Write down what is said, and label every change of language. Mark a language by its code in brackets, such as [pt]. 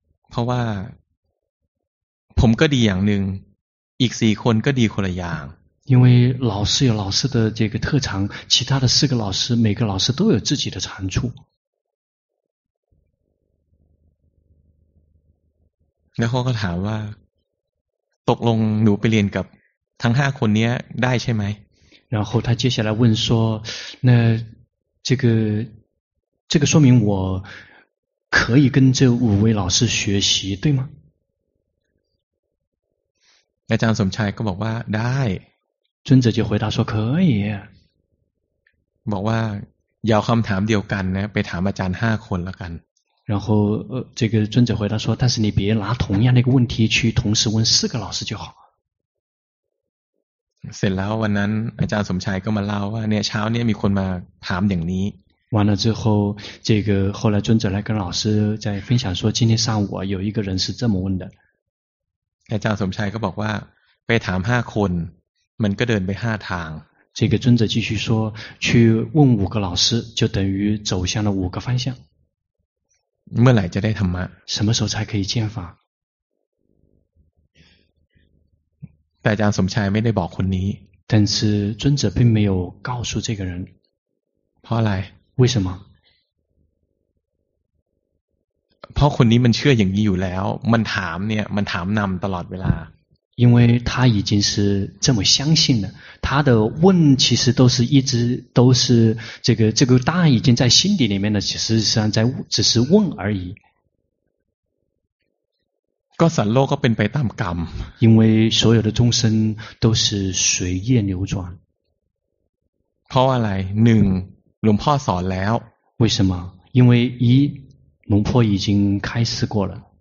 [th] เพราะว่าผมก็ดีอย่างนึงอีก4คนก็ดีคนละอย่าง [zh] 因为老师有老师的这个特长，其他的4个老师，每个老师都有自己的长处。然后他问：“ [th] ตกลงหนูไปเรียนกับทั้ง5คนนี้ได้ใช่ไหม？” [zh] 然后他接下来问说：“那这个说明我可以跟这五位老师学习，对吗？” [th] อาจารย์สมชายก็บอกว่าได้ [zh] 尊者就回答说可以 [th] บอกว่าอย่าคำถามเดียวกันนะไปถามอาจารย์5คนละกัน [zh] 然后这个尊者回答说但是你别拿同样的一个问题去同时问4个老师就好 [th] เสร็จแล้ววันนั้นอาจารย์สมชายก็มาเล่าว่าเนี่ยเช้าเนี่ยมีคนมาถามอย่างนี้ [zh] 完了之后这个后来尊者来跟老师在分享说今天上午有一个人是这么问的 [th] อาจารย์สมชายก็บอกว่าไปถาม5คนมันก็เดินไป5ทาง [zh] 这个尊者继续说去问五个老师就等于走向了五个方向 [th] เมื่อไหร่จะได้ธรรมะ [zh] 什么时候才可以见法 [th] แต่อาจารย์สมชายไม่ได้บอกคนนี้ [zh] 但是尊者并没有告诉这个人 [th] เพราะอะไร [zh] 为什么 [th] เพราะคนนี้มันเชื่ออย่างนี้อยู่แล้วมันถามเนี่ยมันถามนำตลอดเวลา [zh] 因为他已经是这么相信了他的问其实都是一直都是这个答案已经在心底里面了其实实际上在只是问而已 [th] ก็สัตว์โลกก็เป็นไปตามกรรม [zh] 因为所有的众生都是随业流转 [th] เพราะว่าอะไร1หลวงพ่อสอนแล้ว [zh] 为什么因为一หลวงพ่อ已经开示过了